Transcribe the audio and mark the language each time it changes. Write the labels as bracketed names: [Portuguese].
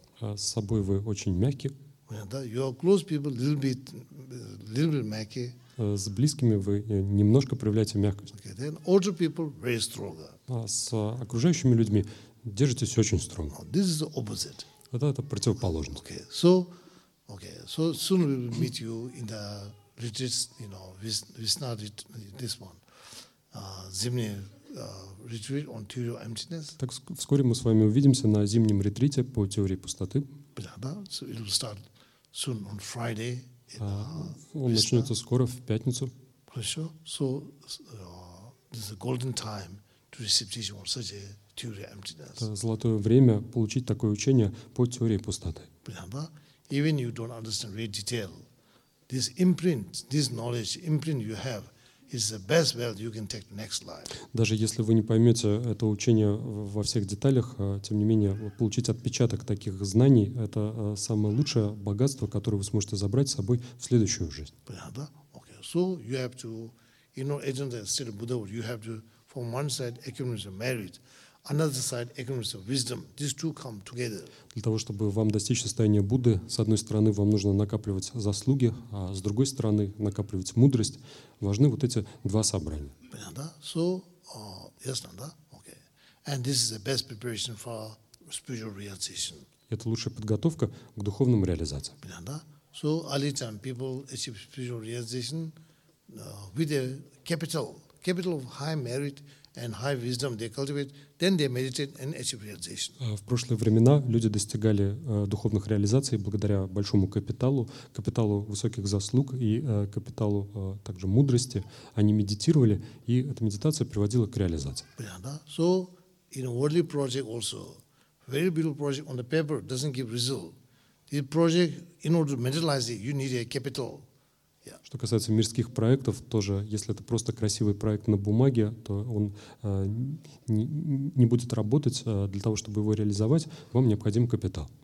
[Russian] А с собой вы очень мягки. [English] Your close people little bit mechy. А [Russian] с близкими вы немножко проявляете мягкость. [English] Okay, then older people very stronger. [Russian] А с окружающими людьми держитесь очень строго. [English] No, this is the opposite. [Russian] Вот это противоположность. [English] Okay. So soon we will meet you in the retreat, you know, this one. [Russian] Зимний [English] retreat on theory of emptiness. [Russian] Так вскоре мы с вами увидимся на зимнем ретрите по теории пустоты. [English] So it will start soon on Friday. [Russian] Он начнется скоро в пятницу. Хорошо. [English] So this is a golden time to receive teaching on such a theory of emptiness. [Russian] Это золотое время получить такое учение по теории пустоты. [English] Even you don't understand great detail, this imprint, this knowledge imprint you have is the best wealth you can take next life. [Russian] Даже если вы не поймете это учение во всех деталях, тем не менее получить отпечаток таких знаний – это самое лучшее богатство, которое вы сможете забрать с собой в следующую жизнь. [English] Okay. So you have to, you know, in the state of Buddha, you have to, from one side, accumulate merit. Another side, ignorance of wisdom. These two come together. [Russian] Для того, чтобы вам достичь состояния Будды, с одной стороны, вам нужно накапливать заслуги, а с другой стороны, накапливать мудрость. Важны вот эти два собрания. Понятно? [English] So, yes, [Russian] надо. [English] Okay. And this is the best preparation for spiritual realization. [Russian] Это лучшая подготовка к духовным реализациям. Понятно? [English] So, early time people achieve spiritual realization with a capital of high merit and high wisdom they cultivate, then they meditate and achieve realization. [Russian] В прошлые времена люди достигали духовных реализаций благодаря большому капиталу, капиталу высоких заслуг и капиталу также мудрости. Они медитировали, и эта медитация приводила к реализации. Понятно? [English] So, in a worldly project also, very beautiful project on the paper doesn't give result. This project, in order to materialize it, you need a capital. [Russian] Что касается мирских проектов, тоже, если это просто красивый проект на бумаге, то он не будет работать. Для того, чтобы его реализовать, вам необходим капитал.